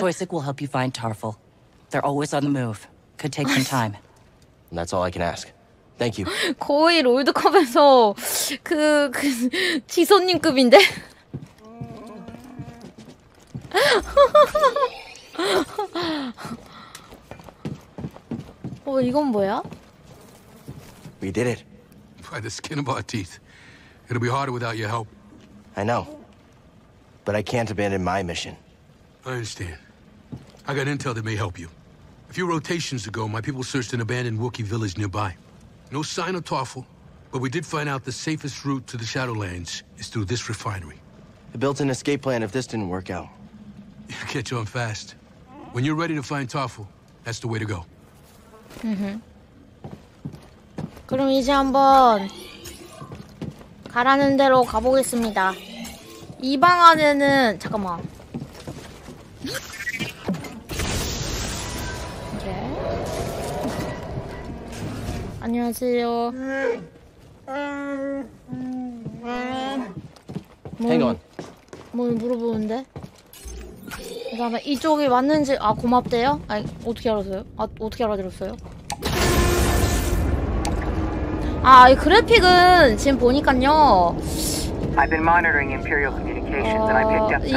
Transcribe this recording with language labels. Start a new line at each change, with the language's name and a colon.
English: Choisik will help you find Tarful. They're always on the move. Could take some time. And that's all I can ask. Thank you.
Korean: 거의 롤드컵에서 그 지선님급인데. 어 이건 뭐야?
English: We did it. By the skin of our teeth. It'll be harder without your help. I know. But I can't abandon my mission. I understand. I got intel that may help you. A few rotations ago, my people searched an abandoned Wookiee village nearby. No sign of Tarful, but we did find out the safest route to the Shadowlands is through this refinery. I built an escape plan if this didn't work out. You catch on fast. When you're ready to find Tarful, that's the way to go. Mm-hmm.
Korean: 그럼 이제 한번 가라는 대로 가보겠습니다. 이 방 안에는 잠깐만. 안녕하세요.
English: Hang on.
Korean: 뭘 물어보는데? 그다음에 이쪽이 맞는지 아 고맙대요. 아니 어떻게 알았어요? 아 어떻게 알아들었어요? 아 이 그래픽은 지금 보니까요.
English: I've been monitoring Imperial communications and I picked up something.